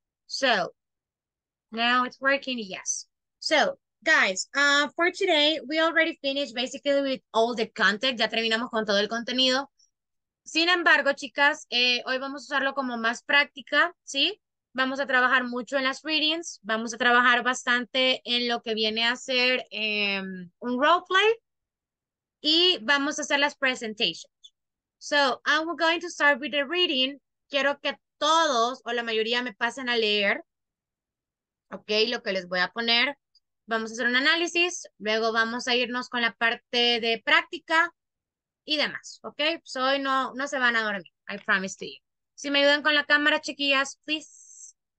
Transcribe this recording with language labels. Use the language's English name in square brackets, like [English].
[English] So, now it's working, yes. So, guys, for today, we already finished basically with all the content, [Spanish] ya terminamos con todo el contenido. Sin embargo, chicas, hoy vamos a usarlo como más práctica, ¿sí? Vamos a trabajar mucho en las readings, vamos a trabajar bastante en lo que viene a ser un roleplay y vamos a hacer las presentations. [English] So, I'm going to start with the reading. [Spanish] Quiero que todos o la mayoría me pasen a leer, ¿ok? Lo que les voy a poner. Vamos a hacer un análisis, luego vamos a irnos con la parte de práctica y demás, ¿ok? So, hoy no se van a dormir, [English] I promise to you. [Spanish] Si me ayudan con la cámara, chiquillas, please.